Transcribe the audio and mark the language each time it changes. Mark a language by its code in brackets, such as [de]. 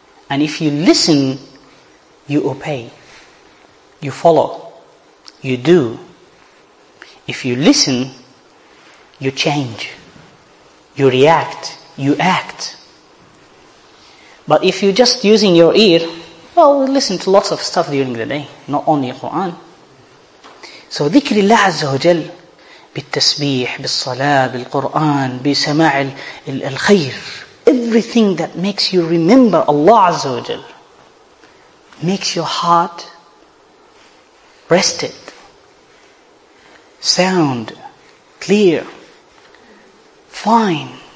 [en] And if you listen, you obey. You follow. You do. If you listen, you change. You react. You act. But if you're just using your ear, well, we listen to lots of stuff during the day, not only Quran. [ar] So, ذكر الله عز وجل بالتسبيح بالصلاة بالقرآن بسماع الخير. [en] Everything that makes you remember Allah عز وجل makes your heart rested, sound, clear, fine.